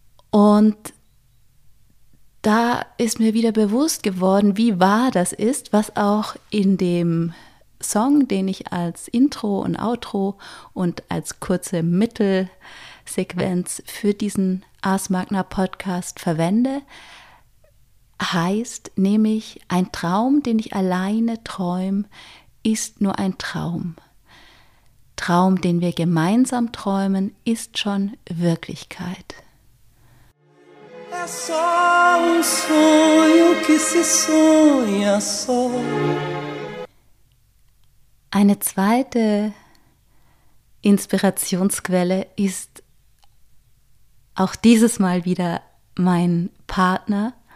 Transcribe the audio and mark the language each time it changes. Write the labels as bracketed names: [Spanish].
[German] Und da ist mir wieder bewusst geworden, wie wahr das ist, was auch in dem Song, den ich als Intro und Outro und als kurze Mittelsequenz für diesen Ars Magna Podcast verwende, heißt, nämlich ein Traum, den ich alleine träume, ist nur ein Traum. Traum, den wir gemeinsam träumen, ist schon Wirklichkeit. [Portuguese] É só sonho que se sonha só. [German] Eine zweite Inspirationsquelle ist auch dieses Mal wieder mein Partner.